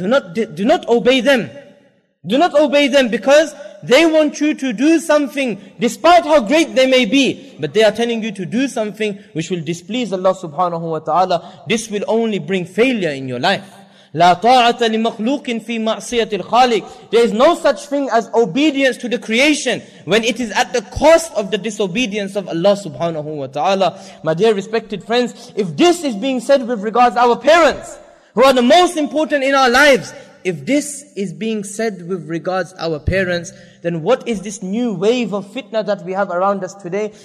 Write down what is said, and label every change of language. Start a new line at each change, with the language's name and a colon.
English: Do not obey them. Do not obey them, because they want you to do something despite how great they may be. But they are telling you to do something which will displease Allah subhanahu wa ta'ala. This will only bring failure in your life.
Arabic: لا طاعة لمخلوق في معصية الخالق.
English: There is no such thing as obedience to the creation when it is at the cost of the disobedience of Allah subhanahu wa ta'ala. My dear respected friends, if this is being said with regards to our parents, who are the most important in our lives, if this is being said with regards to our parents, then what is this new wave of fitna that we have around us today?